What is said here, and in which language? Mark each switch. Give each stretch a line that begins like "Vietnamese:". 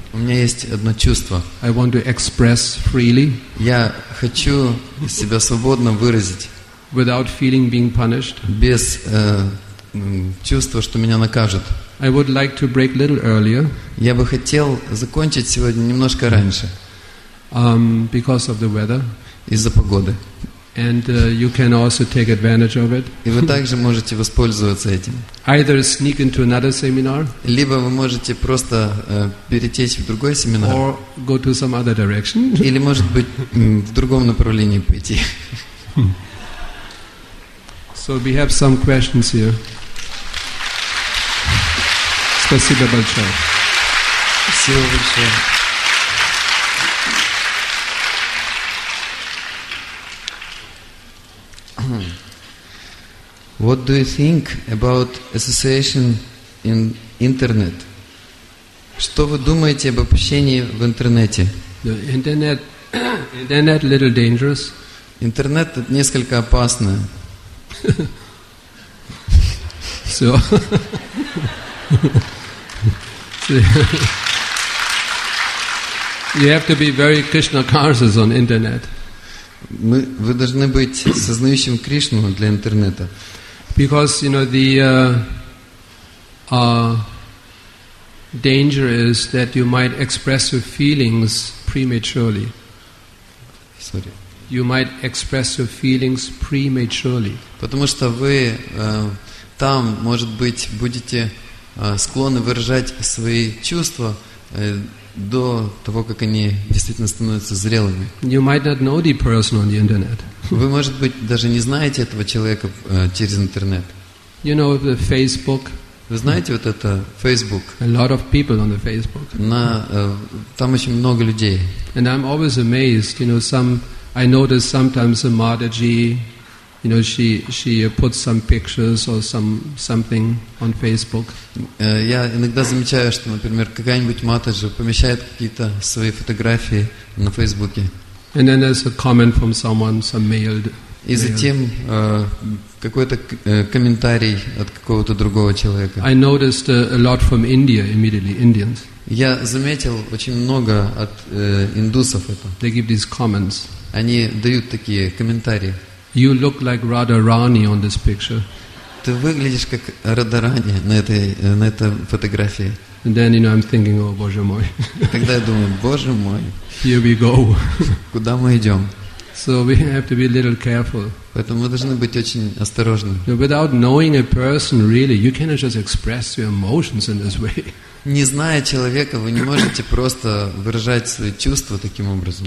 Russian: У меня есть одно чувство.
English: I want to express freely.
Russian: Я хочу себя свободно выразить.
English: Without feeling being punished.
Russian: Без чувства, что меня накажут.
English: I would like to break a little earlier.
Russian: Я бы хотел закончить сегодня немножко раньше.
English: Because of the weather.
Russian: Из-за погоды.
English: And you can also take advantage of it.
Russian: И вы также можете воспользоваться этим.
English: Either sneak into another seminar.
Russian: Либо вы можете просто перетечь в другой семинар.
English: Or go to some other direction.
Russian: Или, может быть, в другом направлении пойти.
English: So we have some questions here.
Russian: Спасибо большое. Спасибо большое.
English: What do you think about association in internet?
Russian: Что вы думаете об общении в интернете?
English: The internet a little dangerous.
Russian: Интернет несколько опасно.
English: So. You have to be very Krishna conscious on internet.
Russian: Вы должны быть сознающим Кришну для интернета.
English: Because you know the danger is that you might express your feelings prematurely. Sorry. You might express your feelings prematurely.
Russian: Потому что вы там, может быть, будете склонны выражать свои чувства до того, как они действительно становятся зрелыми.
English: You might not know the person on the internet.
Russian: Вы, может быть, даже не знаете этого человека через интернет.
English: You know the Facebook.
Russian: Вы знаете вот это Facebook?
English: A lot of people on the Facebook.
Russian: Там очень много людей.
English: And I'm always amazed, you know, I notice sometimes a Mataji, you know, she puts some pictures or something on Facebook.
Russian: Я иногда замечаю, что, например, какая-нибудь Матаджи помещает какие-то свои фотографии на Фейсбуке.
English: And then there's a comment from someone, some mailed.
Russian: И затем какой-то комментарий от какого-то другого человека.
English: I noticed a lot from India immediately, Indians.
Russian: Я заметил очень много от индусов это.
English: They give these comments.
Russian: Они дают такие комментарии.
English: You look like Radharani on this picture.
Russian: Ты выглядишь как Радарани на этой фотографии.
English: And then you know I'm thinking, oh,
Russian: Боже мой. Тогда я думаю, Боже мой.
English: Here we go.
Russian: Куда мы идем?
English: So we have to be a little careful.
Russian: Поэтому мы должны быть очень осторожны.
English: Without knowing a person really, you cannot just express your emotions in this way.
Russian: Не зная человека, вы не можете просто выражать свои чувства таким образом.